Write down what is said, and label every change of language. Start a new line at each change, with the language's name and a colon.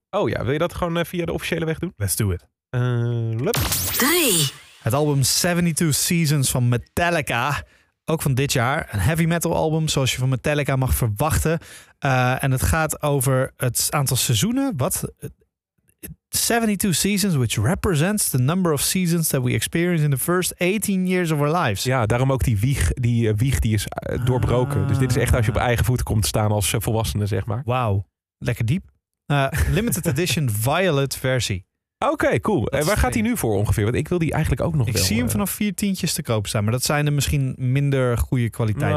Dutch: Oh ja, wil je dat gewoon via de officiële weg doen?
English: Let's do it.
Dutch: 3. Het album 72 Seasons van Metallica. Ook van dit jaar. Een heavy metal album, zoals je van Metallica mag verwachten. En het gaat over het aantal seizoenen. Wat?
English: 72 seasons, which represents the number of seasons that we experience in the first 18 years of our lives.
Dutch: Ja, daarom ook die wieg is doorbroken. Dus dit is echt als je op eigen voeten komt staan als volwassene, zeg maar. Wauw. Lekker diep. Limited edition violet versie. Oké, cool. En waar gaat hij nu voor ongeveer? Want ik wil die eigenlijk ook nog wel. Ik zie hem vanaf 4 tientjes te koop staan. Maar dat zijn er misschien minder goede kwaliteiten.